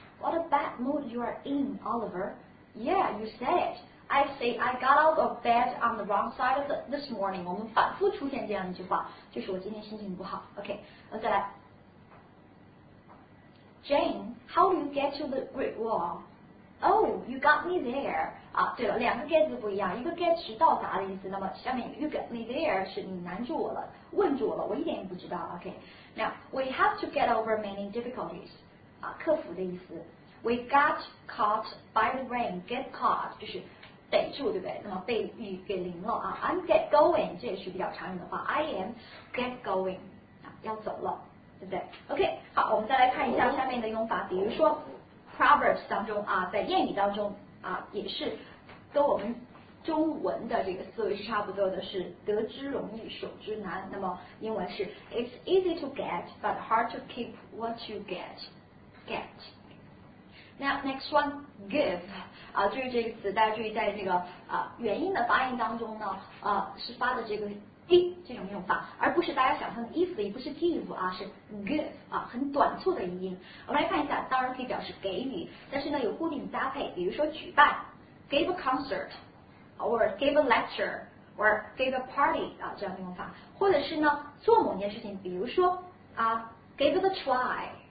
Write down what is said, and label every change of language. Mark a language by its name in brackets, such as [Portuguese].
[English] What a bad mood you are in, Oliver. Yeah, you said it. I say I got out of bed on the wrong side of this morning. [Chinese] 我们反复出现这样一句话，就是我今天心情不好。 OK， 我再来。 [English] Jane, how do you get to the Great Wall? Oh, you got me there. [Chinese] 啊，对了，两个 get 字不一样，一个 get 是到达的意思，那么下面 you got me there 是你难住我了，问住我了，我一点也不知道。OK, [English] now we have to get over many difficulties. [Chinese] 啊，克服的意思。 [English] We got caught by the rain. [Chinese] Get caught 就是逮住，对不对？那么被雨给淋了啊。 [English] I'm get going [Chinese] 这也是比较常用的话。 [English] I am get going [Chinese] 啊，要走了，对不对 ？OK， 好，我们再来看一下下面的用法，比如说 Proverbs 当中啊，在谚语当中啊，也是跟我们中文的这个思维是差不多的，是得之容易，守之难。那么英文是 [English] It's easy to get, but hard to keep what you get. Get. Now, next one, give. [Chinese] 啊，注意这个词，大家注意在这个啊元音的发音当中呢，是发的这个 d 这种用法，而不是大家想象的 if， 也不是 give 啊，是 give 啊，很短促的音。我们来看一下，当然可以表示给予，但是呢有固定搭配，比如说举办 ， [English] give a concert， [Chinese] or [English] give a lecture， [Chinese] or [English] give a party [Chinese] 啊这样的用法，或者是呢做某件事情，比如说啊 [English] give it a try。